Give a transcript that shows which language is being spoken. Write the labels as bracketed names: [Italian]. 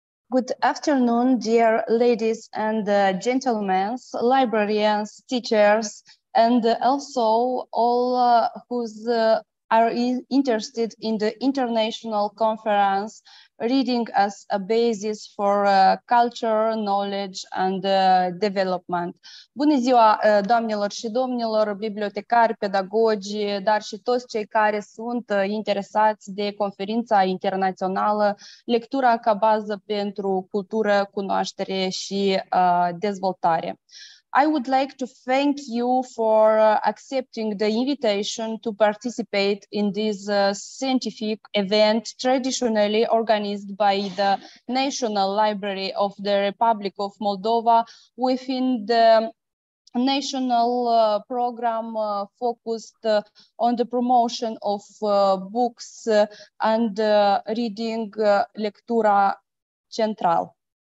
[English] Good afternoon, dear ladies and gentlemen, librarians, teachers, and also all who are interested in the international conference, reading as a basis for culture, knowledge, and development. [Romanian] Bună ziua, doamnelor și domnilor, bibliotecari, pedagogi, dar și toți cei care sunt interesați de conferința internațională, lectura ca bază pentru cultură, cunoaștere și dezvoltare. [English] I would like to thank you for accepting the invitation to participate in this scientific event traditionally organized by the National Library of the Republic of Moldova within the national program focused on the promotion of books and reading lectura central.